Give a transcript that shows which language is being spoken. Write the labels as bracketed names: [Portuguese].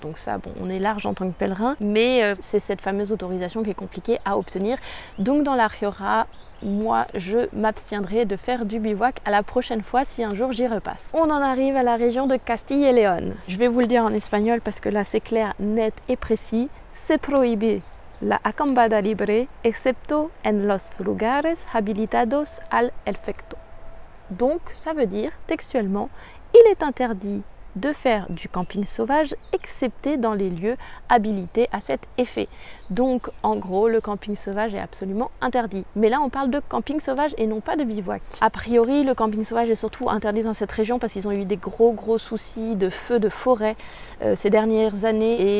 [French] Donc ça, bon, on est large en tant que pèlerin, mais c'est cette fameuse autorisation qui est compliquée à obtenir. Donc dans la Rioja, moi, je m'abstiendrai de faire du bivouac à la prochaine fois si un jour j'y repasse. On en arrive à la région de Castille et León. Je vais vous le dire en espagnol parce que là, c'est clair, net et précis. C'est prohibé [Spanish] la acampada libre, excepto en los lugares habilitados al efecto. [French] Donc, ça veut dire, textuellement, il est interdit de faire du camping sauvage, excepté dans les lieux habilités à cet effet. Donc, en gros, le camping sauvage est absolument interdit. Mais là, on parle de camping sauvage et non pas de bivouac. A priori, le camping sauvage est surtout interdit dans cette région parce qu'ils ont eu des gros soucis de feux de forêt ces dernières années.